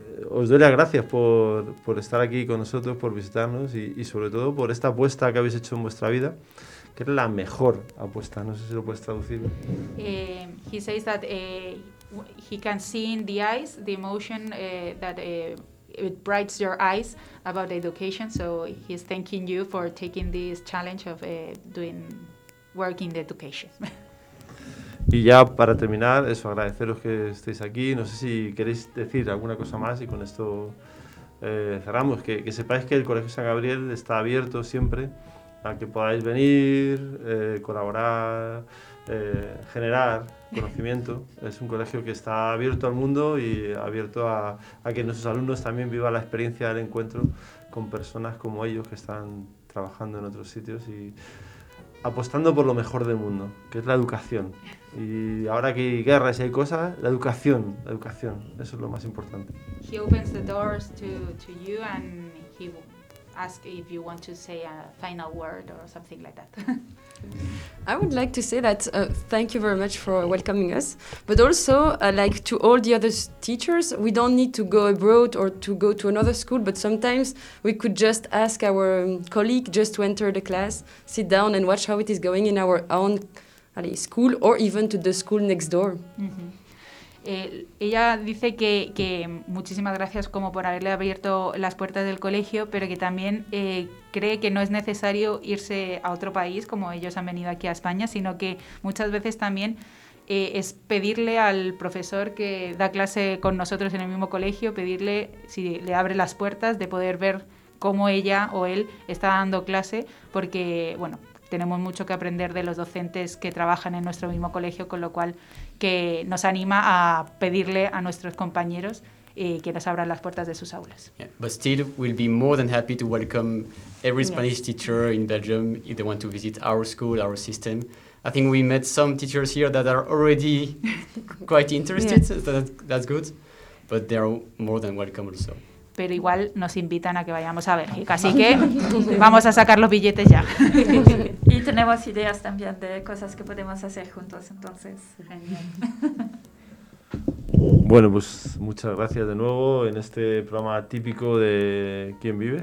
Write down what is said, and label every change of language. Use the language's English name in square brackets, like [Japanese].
[Spanish] Os doy las gracias por estar aquí con nosotros, por visitarnos y sobre todo por esta apuesta que habéis hecho en vuestra vida, que es la mejor apuesta. No sé si lo puedes traducir. [English] He says that he can see in the eyes the emotion that it brights your eyes about education. So he's thanking you for taking this challenge of doing work in the education. [Spanish] Y ya para terminar, eso, agradeceros que estéis aquí. No sé si queréis decir alguna cosa más y con esto cerramos. Que sepáis que el Colegio San Gabriel está abierto siempre a que podáis venir, colaborar, generar conocimiento. Es un colegio que está abierto al mundo y abierto a que nuestros alumnos también vivan la experiencia del encuentro con personas como ellos que están trabajando en otros sitios y apostando por lo mejor del mundo, que es la educación. Y ahora que hay guerras y hay cosas, la educación, eso es lo más importante. [English] He opens the doors to you and he asks if you want to say a final word or something like that. I would like to say that thank you very much for welcoming us, but also like to all the other teachers, we don't need to go abroad or to go to another school, but sometimes we could just ask our colleague just to enter the class, sit down and watch how it is going in our own school or even to the school next door. [Spanish] Ella dice que muchísimas gracias como por haberle abierto las puertas del colegio, pero que también cree que no es necesario irse a otro país como ellos han venido aquí a España, sino que muchas veces también es pedirle al profesor que da clase con nosotros en el mismo colegio, pedirle si le abre las puertas de poder ver cómo ella o él está dando clase, porque bueno, tenemos mucho que aprender de los docentes que trabajan en nuestro mismo colegio, con lo cual que nos anima a pedirle a nuestros compañeros que nos abran las puertas de sus aulas. [English] Yeah, but still, we'll be more than happy to welcome every Spanish teacher in Belgium if they want to visit our school, our system. I think we met some teachers here that are already quite interested, that's good, but they are more than welcome also. [Spanish] Pero igual nos invitan a que vayamos a Bélgica, así que vamos a sacar los billetes ya. Y tenemos ideas también de cosas que podemos hacer juntos, entonces. Bueno, pues muchas gracias de nuevo en este programa típico de ¿Quién vive?